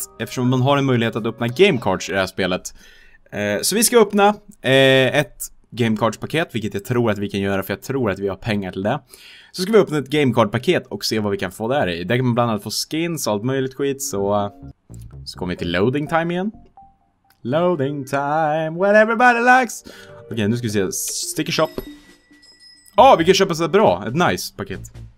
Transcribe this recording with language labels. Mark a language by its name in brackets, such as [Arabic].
[Swedish] Eftersom man har en möjlighet att öppna gamecards i det här spelet. Så vi ska öppna ett gamecards-paket, vilket jag tror att vi kan göra, för jag tror att vi har pengar till det. Så ska vi öppna ett gamecard-paket och se vad vi kan få där i. Där kan man bland annat få skins och allt möjligt skit, så... Så kommer vi till loading time igen. [English] Loading time, when everybody likes! [Swedish] Okej, nu ska vi se, sticker shop. Åh, vi kan köpa sådär bra, ett nice paket.